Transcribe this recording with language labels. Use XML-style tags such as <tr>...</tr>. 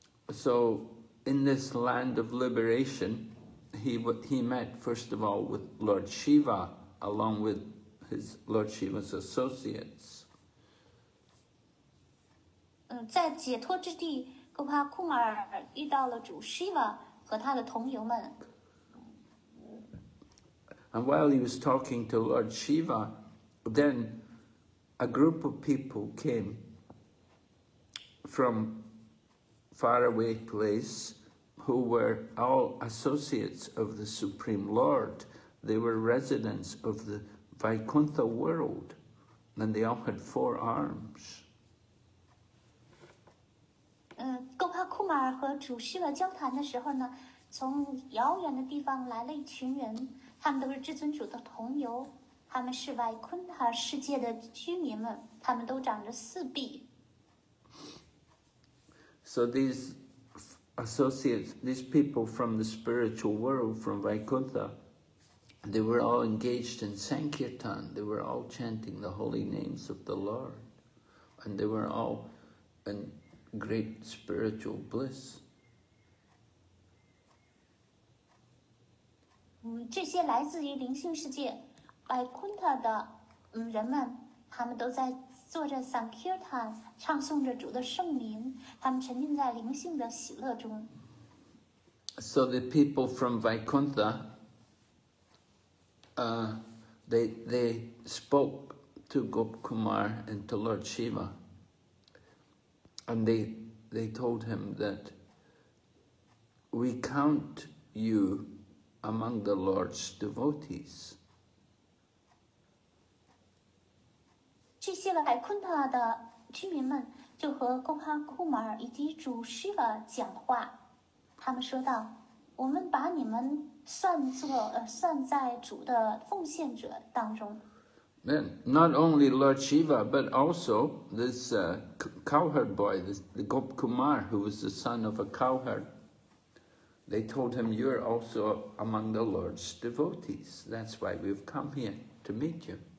<en>So, in this land of liberation, he met first of all with Lord Shiva, along with his Lord Shiva's associates.</en> <zh>在解脱之地，格帕库马尔遇到了主 Shiva 和他的同游们。</zh> <en>And while he was talking to Lord Shiva. Then a group of people came from faraway place who were all associates of the Supreme Lord. They were residents of the Vaikuntha world, and they all had four arms.</en> <zh>Gopa Kumar 和主 Shiva 交谈的时候呢，从遥远的地方来了一群人，他们都是至尊主的同游。他们是外昆塔世界的居民们，他们都长着四臂。</zh> <en>So these associates, these people from the spiritual world, from Vaikuntha, they were all engaged in Sankirtan. They were all chanting the holy names of the Lord, and they were all in great spiritual bliss.</en> <zh>这些来自于灵性世界。白昆特的人们，他们都在做着 Sankirtan， 唱诵着主的圣名，他们沉浸在灵性的喜乐中。</zh> <en>So the people from Vaikuntha, they spoke to Gop Kumar and to Lord Shiva, and they told him that we count you among the Lord's devotees.</en> <zh>这些来昆特的居民们就和贡哈库马尔以及主师傅讲话，他们说道：“我们把你们算在主的奉献者当中。”</zh> <en>Then not only Lord Shiva, but also this cowherd boy, this Gop Kumar, who was the son of a cowherd. They told him, "You are also among the Lord's devotees. That's why we've come here to meet you."</en>